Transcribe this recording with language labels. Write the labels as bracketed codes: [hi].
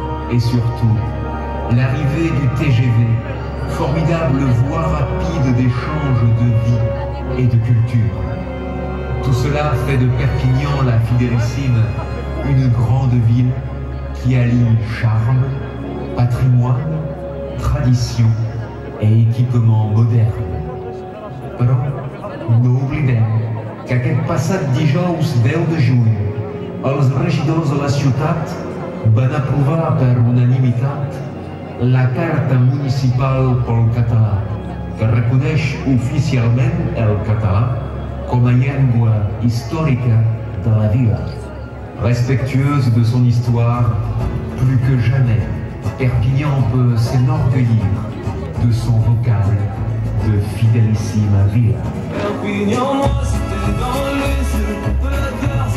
[fr] Et surtout, l'arrivée du TGV, formidable voie rapide d'échange de vie et de culture. Tout cela fait de Perpignan la Fidélissime une grande ville qui allie charme, patrimoine, tradition et équipement moderne. [ca] Però, no oblidem que aquest passat dijous 10 de juny els regidors de la ciutat van aprovar per unanimitat la Carta Municipal pel Català, que reconeix oficialment el català com a llengua històrica de la vila. [fr] Respectueuse de son histoire, plus que jamais, Perpignan peut s'enorgueillir de son vocable de Fidélissime Ville. Perpignan, moi, c'était dans les yeux.